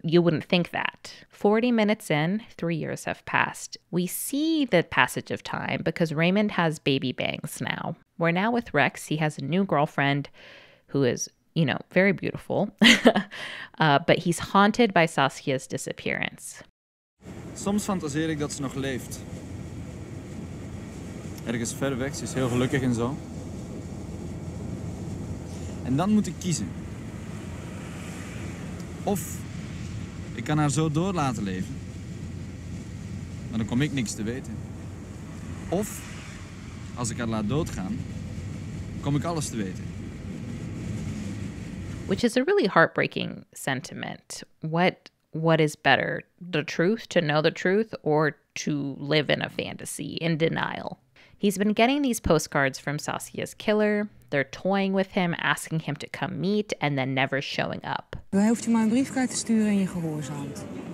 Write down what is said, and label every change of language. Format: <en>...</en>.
<en>You wouldn't think that. 40 minutes in, 3 years have passed. We see the passage of time because Raymond has baby bangs now. We're now with Rex. He has a new girlfriend who is, you know, very beautiful, but he's haunted by Saskia's disappearance.</en> <nl>Soms fantaseer ik dat ze nog leeft. Ergens ver weg, ze is heel gelukkig en zo. En dan moet ik kiezen. Of ik kan haar zo door laten leven, maar dan kom ik niks te weten. Of als ik haar laat doodgaan, kom ik alles te weten.</nl> <en>Which is a really heartbreaking sentiment. What is better, the truth, to know the truth, or to live in a fantasy, in denial? He's been getting these postcards from Saskia's killer. They're toying with him, asking him to come meet, and then never showing up.</en> <nl>Je hoeft je maar een briefkaart te sturen en je gehoorzaamt.</nl>